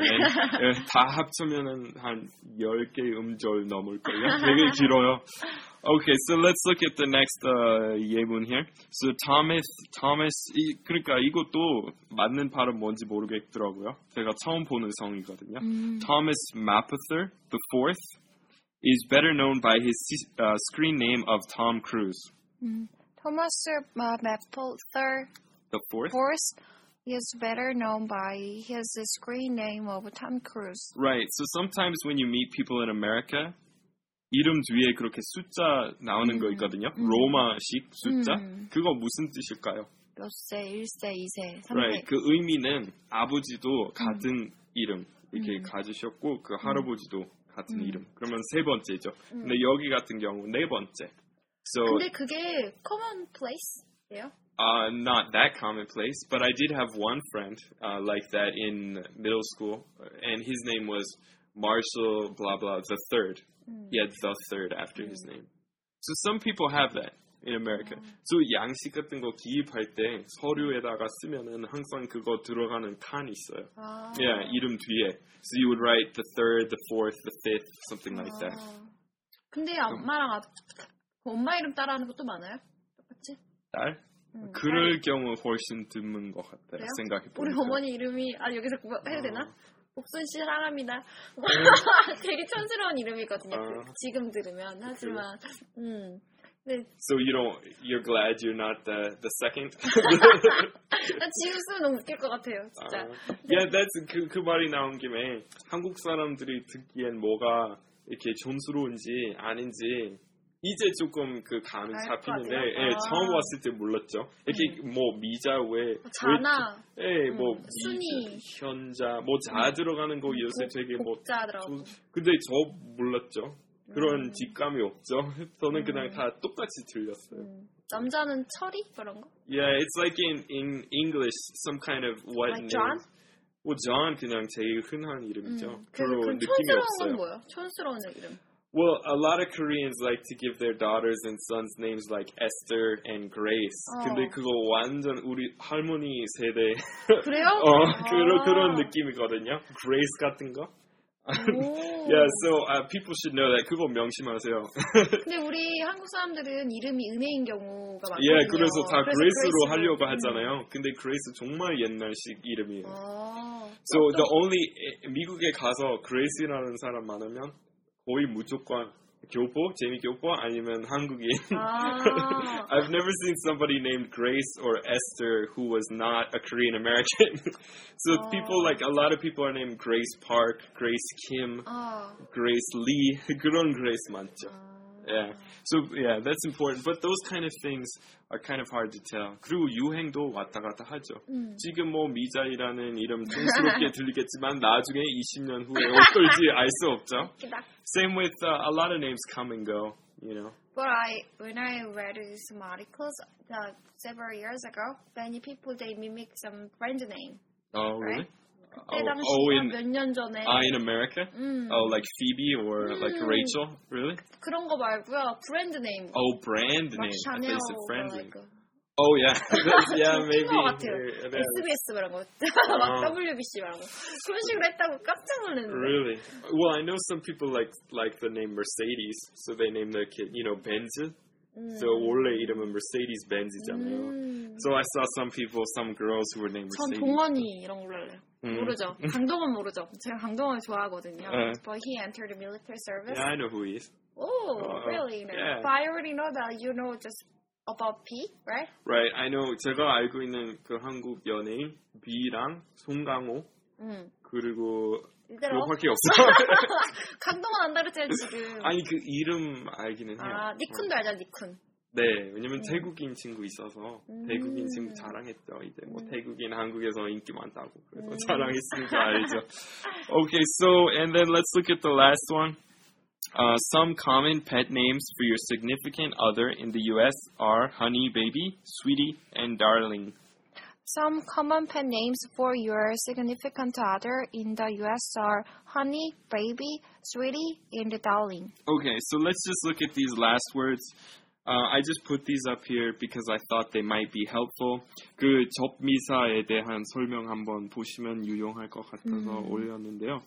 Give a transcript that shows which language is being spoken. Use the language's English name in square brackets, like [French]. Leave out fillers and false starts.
[Korean] And 다 합치면은 한 열 개 음절 넘을 거예요. 되게 길어요. [English] Okay, so let's look at the next 예문 here. [Korean] So Thomas, 그러니까 이것도 맞는 발음 뭔지 모르겠더라고요. 제가 처음 보는 성이거든요. [English] Thomas Mapother the Fourth is better known by his screen name of Tom Cruise. Thomas Mapother the Fourth. Fourth. is better known by his screen name of Tom Cruise. Right, so sometimes when you meet people in America, [Korean] 이름 뒤에 그렇게 숫자 나오는 거 있거든요. 로마식 숫자. 그거 무슨 뜻일까요? 몇 세, 1세, 2세, 3세. Right, 그 의미는 아버지도 같은 이름 이렇게 가지셨고 그 할아버지도 같은 이름. 그러면 세 번째죠. 근데 여기 같은 경우 네 번째. So, 근데 그게 commonplace예요? [English] Not that commonplace, but I did have one friend like that in middle school, and his name was Marshall blah blah the third. He had the third after his name. So some people have that in America. [Korean] So 양식 같은 거 기입할 때 서류에다가 쓰면은 항상 그거 들어가는 칸 있어요. Yeah, 이름 뒤에. [English] So you would write the third, the fourth, the fifth, something like that. [Korean] 근데 엄마랑 엄마 이름 따라하는 것도 많아요? 똑같이? 딸? 그럴 경우 훨씬 드문 것 같아요. 생각해 보니까. 우리 어머니 이름이 아 여기서 해도 되나? 복순 씨 사랑합니다. 되게 촌스러운 이름이거든요. 지금 들으면 하지만 [English] So you don't you're glad you're not the second? [Korean] 나 지금 쓰면 너무 웃길 것 같아요. 진짜. [English] Yeah, that's [Korean] 그 말이 나온 김에 한국 사람들이 듣기엔 뭐가 이렇게 촌스러운지 아닌지 이제 조금 그 감이 잡히는데 예, 처음 왔을 때 몰랐죠. 이렇게 뭐 미자 왜 자나 예, 뭐 미자, 현자 뭐 자 들어가는 거 요새 되게 뭐 자 들어 근데 저 몰랐죠. 그런 직감이 없죠. 저는 그냥 다 똑같이 들렸어요. 남자는 철이 그런 거? [English] Yeah, it's like in English some kind of what like John? [Korean] name. Well, John 그냥 제일 흔한 이름이죠. 그런 느낌이 없어요. 촌스러운 건 뭐예요? 촌스러운 이름. [English] Well, a lot of Koreans like to give their daughters and sons names like Esther and Grace. [Korean] 근데 그거 완전 우리 할머니 세대 그래요? 그런 느낌이거든요. [English] Grace 같은 거. Yeah, so people should know that. [Korean] 그거 명심하세요. 근데 우리 한국 사람들은 이름이 은혜인 경우가 많거든요. Yeah, 그래서 다 Grace로 하려고 하잖아요. 근데 Grace 정말 옛날식 이름이에요. [English] So the only [Korean] 미국에 가서 그레이스라는 사람 많으면 거의 무조건 교포, 제니 교포 아니면 한국인. 아. [English] I've never seen somebody named Grace or Esther who was not a Korean American. So 아. people like a lot of people are named Grace Park, Grace Kim, [Korean] 아. Grace Lee. 그런 Grace 많죠. 아. [English] Yeah. So yeah, that's important. But those kind of things are kind of hard to tell. 그리고 유행도 왔다 갔다 하죠. 지금 뭐 미자이라는 이름 촌스럽게 들리겠지만 나중에 20년 후에 어떨지 알 수 없죠. Same with a lot of names come and go, you know. But when I read some articles several years ago, many people they mimic some brand name. Oh, right? Really? In America? Oh, like Phoebe or like Rachel? Really? [Korean] 그런 거 말고요. [English] Brand name. Oh, brand name. Chanel. Like oh, yeah. yeah, maybe. [Korean] SBS 말한 거. WBC 말한 거. 그런 식으로 했다고 깜짝 놀랐는데. [English] Really? Well, I know some people like the name Mercedes, so they name their kid, you know, Benz. So [Korean] 원래 이름은 Mercedes Benz이잖아요. [English] So I saw some people, some girls who were named Mercedes. [Korean] 전 동원이 이런 걸로 할래요. 모르죠. 강동원 모르죠. 제가 강동원을 좋아하거든요. [English] But he entered the military service. Yeah, I know who he is. Oh, really? Yeah. But I already know that you know just about B, right? Right. I know. [Korean] 제가 알고 있는 그 한국 연예인 B랑 송강호 그리고 그거밖에 없어. 강동원 안 다르잖아요, 지금. 아니, 그 이름 알기는 해요. 아, 니쿤도 알죠, 니쿤. 네, 왜냐면 태국인 친구 있어서 태국인 친구 자랑했죠. 이제 뭐 태국인 한국에서 인기 많다고 그래서 자랑했으니까 알죠. [English] Okay, so and then let's look at the last one. Some common pet names for your significant other in the U.S. are honey, baby, sweetie, and darling. Some common pet names for your significant other in the U.S. are honey, baby, sweetie, and darling. Okay, so let's just look at these last words. I just put these up here because I thought they might be helpful. [Korean] 그 접미사에 대한 설명 한번 보시면 유용할 것 같아서 올렸는데요.